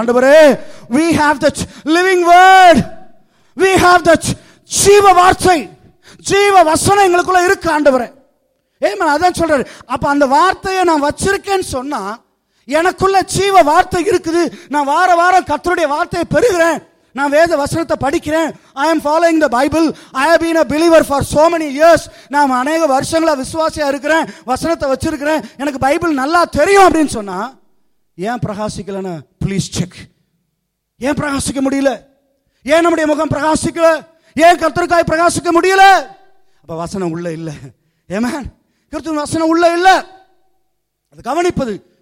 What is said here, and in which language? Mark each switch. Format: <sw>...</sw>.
<ta>ஆண்டவரே,</ta> <en>we have the living word, we have the</en> <ta>ஜீவ வார்த்தை, ஜீவ வசனம் எங்களுக்குள்ள இருக்கு ஆண்டவரே. ஏமா அதான் சொல்றாரு. அப்ப அந்த வார்த்தையை நான் வச்சிருக்கேன்னு சொன்னா எனக்குள்ள ஜீவ வார்த்தை இருக்குது. நான் வார வாரம் கர்த்தருடைய வார்த்தையை பெறுகிறேன், நான் வேத வசனத்தை படிக்கிறேன்.</ta> <en>I am following the Bible. I have been a believer for so many years.</en> <ta>நான் அநேக வருஷங்களா விசுவாசியா இருக்கிறேன், வசனத்தை வச்சிருக்கிறேன், எனக்கு பைபிள் நல்லா தெரியும் அப்படின்னு சொன்னா ஏன் பிரகாசிக்கலன்னு</ta> <en>Please check.</en> <ta>ஏன் பிரகாசிக்க முடியல, ஏன் நம்முடைய முகம் பிரகாசிக்கல, ஏன் கர்த்தருக்காய் பிரகாசிக்க முடியல. அப்ப வசனம் உள்ள இல்லை. ஆமென். கர்த்தர் வசனம் உள்ள இல்லை. அது கவனிப்பது.</ta>